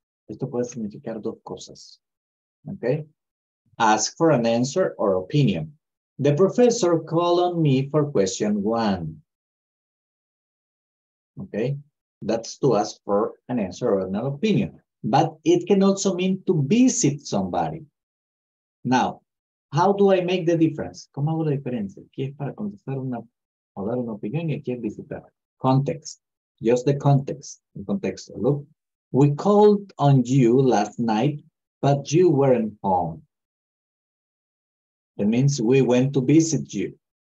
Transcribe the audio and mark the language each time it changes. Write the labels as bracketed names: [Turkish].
[Spanish] Esto puede significar dos cosas. [English] Okay. Ask for an answer or opinion. The professor called on me for question one. Okay. That's to ask for an answer or an opinion. But it can also mean to visit somebody. Now, how do I make the difference? [Spanish] ¿Cómo hago la diferencia? Aquí es para contestar una o dar una opinión y aquí es visitar. [English] Context. Just the context. [Spanish] El contexto. [English] Look, we called on you last night, but you weren't home. That means we went to visit you.